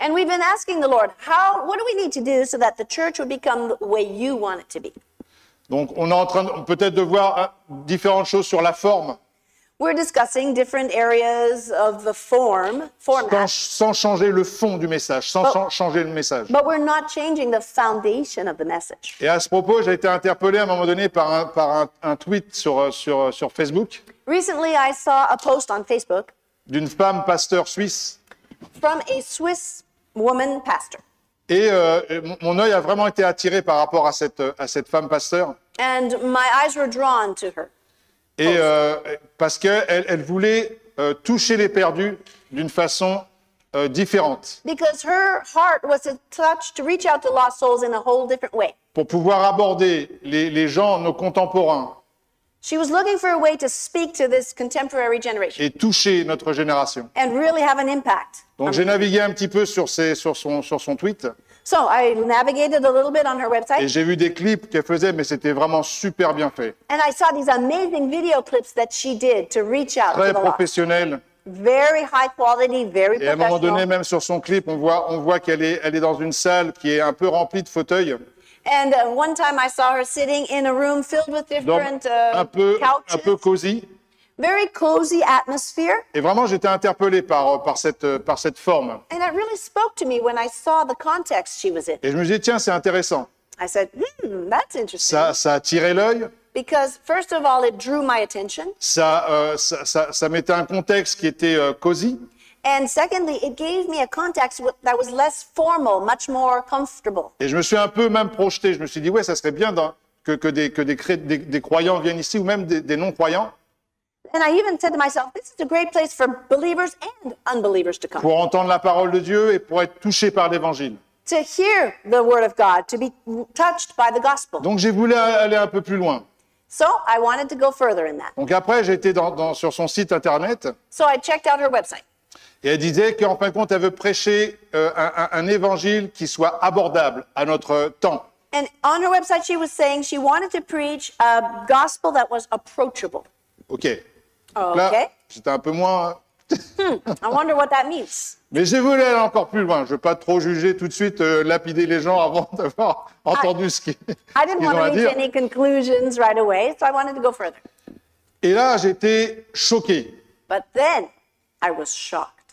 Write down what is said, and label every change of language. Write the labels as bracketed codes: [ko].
[en] And we've been asking the Lord, what do we need to do so that the church would become the way you want it to be? [fr] Donc on est en train peut-être de voir différentes choses sur la forme. [en] We're discussing different areas of the format. [fr] Sans changer le fond du message, changer le message. [en] But we're not changing the foundation of the message. [fr] Et à ce propos, j'ai été interpellé à un moment donné par un tweet sur Facebook. [en] Recently, I saw a post on Facebook. [fr] D'une femme pasteur suisse. [en] From a Swiss woman pastor. [fr] Et mon œil a vraiment été attiré par rapport à cette femme pasteur. [en] And my eyes were drawn to her. [fr] Et parce qu'elle voulait toucher les perdus d'une façon différente. [en] Because her heart was to touch, to reach out to lost souls in a whole different way. [fr] Pour pouvoir aborder les gens, nos contemporains. [en] She was looking for a way to speak to this contemporary generation. [fr] Et toucher notre génération. [en] And really have an impact. [fr] Donc j'ai navigué un petit peu sur son tweet. [en] So I navigated a little bit on her website. [fr] Et j'ai vu des clips qu'elle faisait, mais c'était vraiment super bien fait. [en] And I saw these amazing video clips that she did to reach out. [fr] Très professionnel. [en] Very high quality, very professional. [fr] Et à un moment donné, même sur son clip, on voit qu'elle est dans une salle qui est un peu remplie de fauteuils. [en] And one time I saw her sitting in a room filled with different couches. [fr] Un peu cosy. [en] Very cozy atmosphere. [fr] Et vraiment, j'étais interpellé par cette forme. [en] And it really spoke to me when I saw the context she was in. [fr] Et je me disais, tiens, c'est intéressant. [en] I said, that's interesting. [fr] Ça a attiré l'œil. [en] Because first of all, it drew my attention. [fr] Ça mettait un contexte qui était cozy. [en] And secondly, it gave me a context that was less formal, much more comfortable. [fr] Et je me suis un peu même projeté. Je me suis dit, ouais, ça serait bien que des croyants viennent ici ou même des non-croyants. [en] And I even said to myself, this is a great place for believers and unbelievers to come. [fr] Pour entendre la parole de Dieu et pour être touché par l'évangile. [en] To hear the word of God, to be touched by the gospel. [fr] Donc j'ai voulu aller un peu plus loin. [en] So I wanted to go further in that. [fr] Donc après j'ai été sur son site internet. [en] So I checked out her website. [fr] Et elle disait qu'en fin de compte elle veut prêcher un évangile qui soit abordable à notre temps. [en] And on her website she was saying she wanted to preach a gospel that was approachable. [fr] Okay. Là, [en] okay. [fr] J'étais un peu moins. [en] I wonder what that means. [fr] Mais je voulais aller encore plus loin. Je ne veux pas trop juger tout de suite, lapider les gens avant d'avoir entendu ce qu'ils ont à dire. [en] I didn't want to reach any conclusions right away, so I wanted to go further. [fr] Et là, j'étais choqué. [en] But then, I was shocked.